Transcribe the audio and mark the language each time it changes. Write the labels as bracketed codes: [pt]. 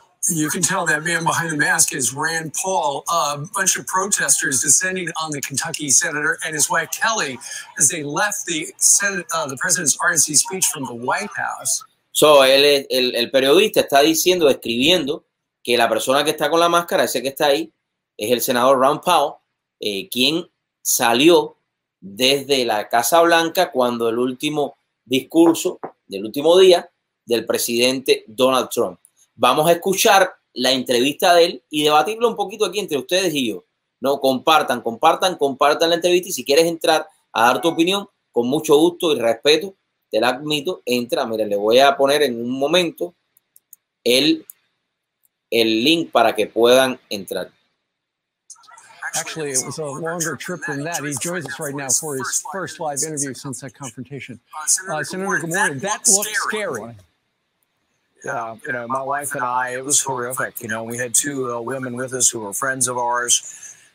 [en] You can tell that man behind the mask is Rand Paul. A bunch of protesters descending on the Kentucky senator and his wife Kelly as they left the Senate, the president's RNC speech from the White House. [es] So el periodista está diciendo, describiendo que la persona que está con la máscara, ese que está ahí, es el senador Rand Paul, quien salió desde la Casa Blanca cuando el último discurso del último día del presidente Donald Trump. Vamos a escuchar la entrevista de él y debatirlo un poquito aquí entre ustedes y yo. No, compartan la entrevista, y si quieres entrar a dar tu opinión, con mucho gusto y respeto, te la admito, entra. Mira, le voy a poner en un momento el link para que puedan entrar. [en] Actually, it was a longer trip than that. He joins us right now for his first live interview since that confrontation. Senator, good morning. That looks scary. You know, my wife and I, it was horrific. You know, we had two women with us who were friends of ours.